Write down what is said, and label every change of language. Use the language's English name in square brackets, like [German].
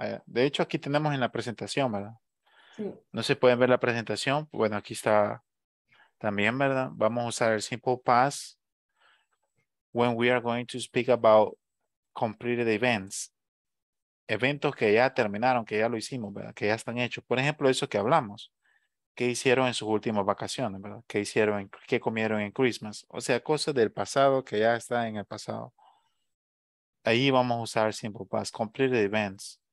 [Spanish] De hecho, aquí tenemos en la presentación, ¿verdad? Sí. No se pueden ver la presentación. Bueno, aquí está también, ¿verdad? Vamos a usar el [English] simple past when we are going to speak about completed events. [Spanish] Eventos que ya terminaron, que ya lo hicimos, ¿verdad? Que ya están hechos. Por ejemplo, eso que hablamos. ¿Qué hicieron en sus últimas vacaciones, ¿verdad? ¿Qué hicieron? ¿Qué comieron en Christmas? O sea, cosas del pasado que ya está en el pasado. Ahí vamos a usar simple past, completed events.